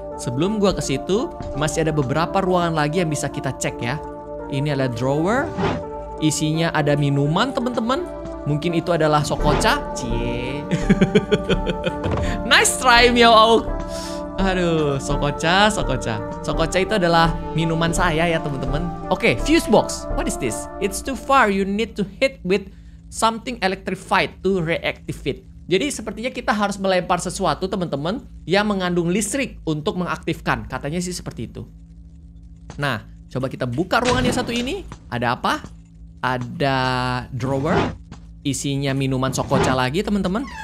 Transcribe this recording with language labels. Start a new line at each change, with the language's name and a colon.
Indonesian: Sebelum gua ke situ, masih ada beberapa ruangan lagi yang bisa kita cek ya. Ini ada drawer. Isinya ada minuman, teman-teman. Mungkin itu adalah sokocha. Cie.
English: Nice try,
Indonesian: Mio Ok. Aduh, sokocha, sokocha. Sokocha itu adalah minuman saya ya, teman-teman.
English: Oke, okay, fuse box. What is this? It's too far. You need to hit with something electrified to reactivate.
Indonesian: Jadi sepertinya kita harus melempar sesuatu, teman-teman, yang mengandung listrik untuk mengaktifkan. Katanya sih seperti itu. Nah, coba kita buka ruangan yang satu ini. Ada apa? Ada drawer. Isinya minuman sokocha lagi, teman-teman.